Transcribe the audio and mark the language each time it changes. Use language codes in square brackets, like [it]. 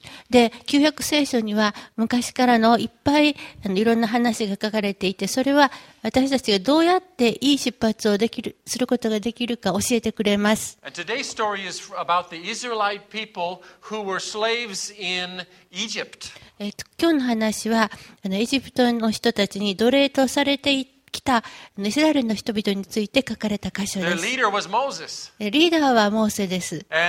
[ja] で、旧約聖書には昔からのいっぱいあのいろんな話が書かれていて、それは私たちがどうやっていい出発をできる、することができるか教えてくれます。 [en] And today's story is about the Israelite people who were slaves in Egypt. [ja] 今日の話はあのエジプトの人たちに奴隷とされていて、来たイスラエルの人々について書かれた箇所です。リーダーはモーセです。